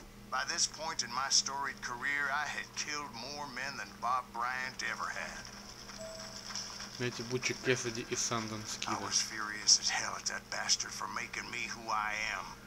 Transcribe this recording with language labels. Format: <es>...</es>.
<en>By this point in my storied career, I had killed more men than Bob Bryant ever had.</en> <ru>Знаете, Бучи Кэссиди и Санденс Кида.</ru> <en>I was furious as hell at that bastard for making me who I am.</en>